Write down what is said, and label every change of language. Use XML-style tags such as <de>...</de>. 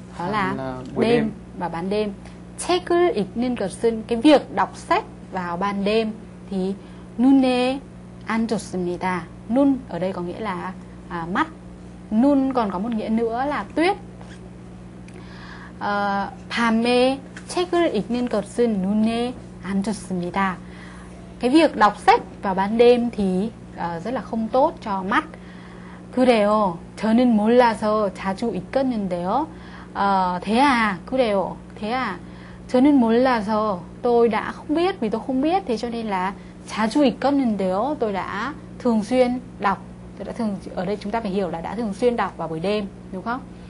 <vi>Đó là đêm. Và ban đêm,</vi> <ko>책을 읽는 것은</ko> <vi>cái việc đọc sách vào ban đêm thì</vi> <ko>눈에 안 좋습니다.</ko> <vi>눈 ở đây có nghĩa là mắt. 눈 còn có một nghĩa nữa là tuyết.</vi> <ko>밤에 책을 읽는 것은 눈에 안 좋습니다.</ko> <vi>Cái việc đọc sách vào ban đêm thì rất là không tốt cho mắt.</vi> <ko>그래요. 저는 몰라서 자주 읽었는데요.</ko> <vi>Thế à,</vi> <ko>그래요.</ko> <vi>Thế à,</vi> <ko>저는 몰라서,</ko> <vi>tôi đã không biết, vì tôi không biết, thế cho nên là</vi> <ko>자주 읽었는데요,</ko> <vi>tôi đã thường xuyên đọc. Tôi đã thường, ở đây chúng ta phải hiểu là đã thường xuyên đọc vào buổi đêm, đúng không?</vi>